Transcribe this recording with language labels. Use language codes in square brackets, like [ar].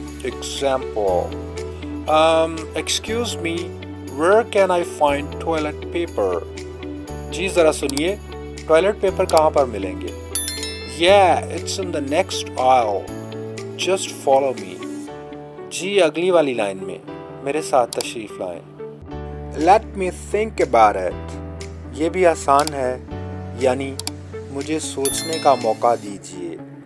[en] Example. Excuse me, where can I find toilet paper? [hi] जी, ज़रा सुनिए, toilet paper कहाँ पर मिलेंगे? [en] Yeah, it's in the next aisle. Just follow me. [hi] जी, अगली वाली लाइन में मेरे साथ तशरीफ लाएं. [en] Let me think about it. [hi] ये भी आसान है, यानी मुझे सोचने का मौका दीजिए.